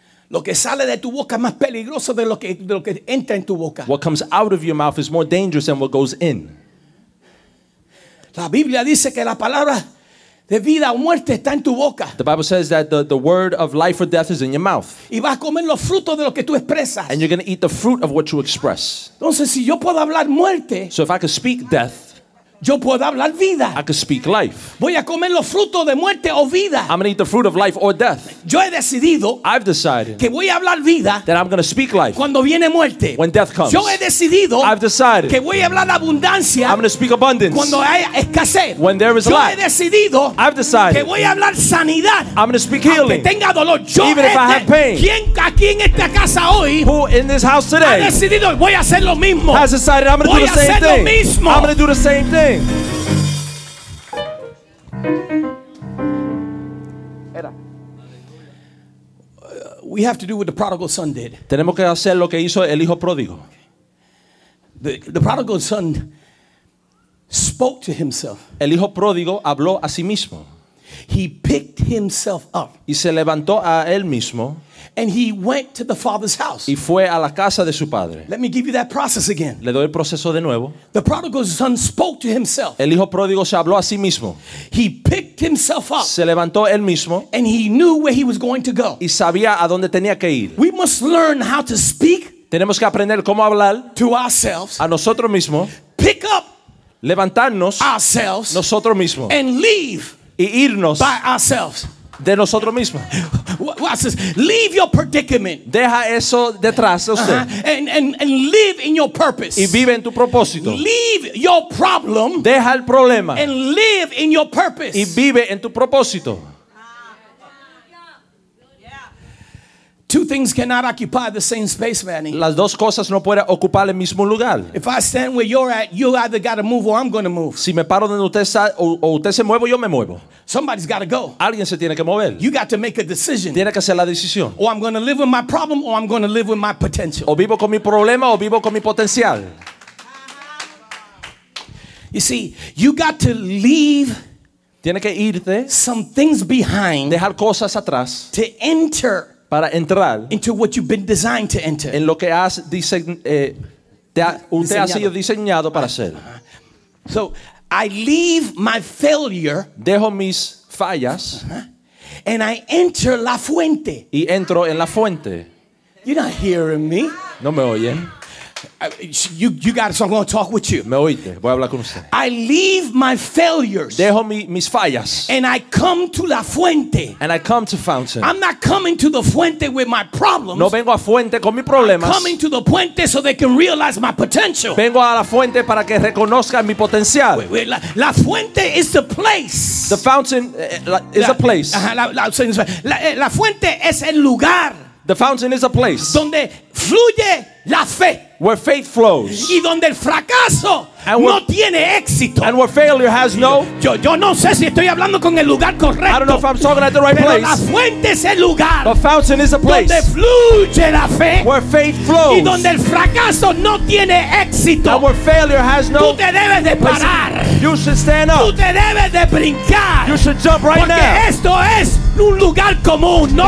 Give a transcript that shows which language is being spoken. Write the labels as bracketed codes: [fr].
[es] Lo que sale de tu boca es más peligroso de lo que entra en tu boca. [en] What comes out of your mouth is more dangerous than what goes in. [es] La Biblia dice que la palabra de vida o muerte está en tu boca. [en] The Bible says that the word of life or death is in your mouth. [es] Y vas a comer los frutos de lo que tú expresas. [en] And you're going to eat the fruit of what you express. [es] Entonces, si yo puedo hablar muerte, [en] so if I can speak death, [es] Yo puedo hablar vida. [en] I can speak life. [es] Voy a comer los frutos de muerte o vida. [en] I'm going to eat the fruit of life or death. [es] Yo he decidido. [en] I've decided. [es] Que voy a hablar vida. [en] That I'm going to speak life. [es] Cuando viene muerte. [en] When death comes. [es] Yo he decidido. [en] I've decided. [es] Que voy a hablar abundancia. [en] I'm going to speak abundance. [es] Cuando hay escasez. [en] When there is lack. [es] Yo he decidido. [en] I've decided. [es] Que voy a hablar sanidad. [en] I'm going to speak healing. [es] Aunque tenga dolor. Yo [en] even if I have pain. [es] ¿Quién aquí en esta casa hoy? [en] Who in this house today? [es] Ha decidido. Voy a hacer lo mismo. [en] Has decided. I'm going to do the same thing. [es] Voy a hacer lo mismo. [en] I'm going to do the same thing. We have to do what the prodigal son did. [es] Tenemos que hacer lo que hizo el hijo pródigo. [en] The prodigal son spoke to himself. [es] El hijo pródigo habló a sí mismo. [en] He picked himself up. [es] Y se levantó a él mismo. [en] And he went to the father's house. [es] Y fue a la casa de su padre. [en] Let me give you that process again. [es] Le doy el proceso de nuevo. [en] The prodigal son spoke to himself. [es] El hijo pródigo se habló a sí mismo. [en] He picked himself up. [es] Se levantó él mismo. [en] And he knew where he was going to go. [es] Y sabía a dónde tenía que ir. [en] We must learn how to speak. [es] Tenemos que aprender cómo hablar. [en] To ourselves. [es] A nosotros mismos. [en] Pick up. [es] Levantarnos. [en] Ourselves. [es] Nosotros mismos. [en] And leave. [es] Y irnos. [en] By ourselves. [es] De nosotros mismos. [en] Watch this. Leave your predicament. [es] Deja eso detrás de usted. [en] And live in your purpose. [es] Y vive en tu propósito. [en] Leave your problem. [es] Deja el problema. [en] And live in your purpose. [es] Y vive en tu propósito. [en] Two things cannot occupy the same space, Manny. [es] Las dos cosas no pueden ocupar el mismo lugar. [en] If I stand where you're at, you either got to move or I'm going to move. [es] Si me paro donde usted está, o usted se mueve, yo me muevo. [en] Somebody's got to go. [es] Alguien se tiene que mover. [en] You got to make a decision. [es] Tiene que hacer la decisión. [en] Or I'm going to live with my problem or I'm going to live with my potential. [es] O vivo con mi problema o vivo con mi potencial. [en] You see, you got to leave. [es] Tiene que irte. [en] Some things behind. [es] Dejar cosas atrás. [en] To enter. [es] Para entrar [en] into what you've been designed to enter. [es] En lo que has usted ha sido diseñado para hacer. [en] So I leave my failure. [es] Dejo mis fallas. [en] And I enter la fuente. [es] Y entro en la fuente. [en] You're not hearing me. [es] No me oyen. [en] You got it, so I'm going to talk with you. [es] Me oíste, voy a hablar con usted. [en] I leave my failures. [es] Dejo mis fallas. [en] And I come to la fuente. And I come to fountain. I'm not coming to the fuente with my problems. [es] No vengo a fuente con mis problemas. [en] I'm coming to the fuente so they can realize my potential. [es] Vengo a la fuente para que reconozcan mi potencial. [en] La fuente is the place. The fountain is a place. [es] La fuente es el lugar. [en] The fountain is a place [es] donde fluye la fe. [en] Where faith flows. [es] Y donde el fracaso no tiene éxito. [en] And where failure has no. [es] Yo no sé si estoy hablando con el lugar correcto. [en] I don't know if I'm talking at the right place. [es] La fuente es el lugar. [en] The fountain is a place [es] donde fluye la fe. [en] Where faith flows. [es] Y donde el fracaso no tiene éxito. [en] And where failure has no. [es] Tú te debes de parar. [en] You should stand up. [es] Tú te debes de brincar. [en] You should jump right [es] porque Porque esto es un lugar común, no